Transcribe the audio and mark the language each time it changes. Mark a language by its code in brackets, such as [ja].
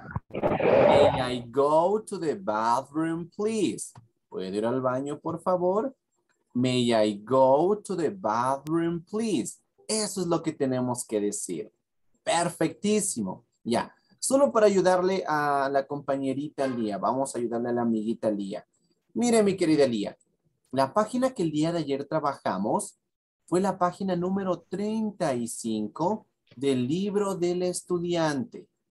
[en] May I go to the bathroom, please? [es] ¿Puedo ir al baño, por favor? [en] May I go to the bathroom, please? [es] Eso es lo que tenemos que decir. Perfectísimo. Ya. Solo para ayudarle a la compañerita Lía. Vamos a ayudarle a la amiguita Lía. Mire, mi querida Lía. La página que el día de ayer trabajamos fue la página número 35 del libro del estudiante.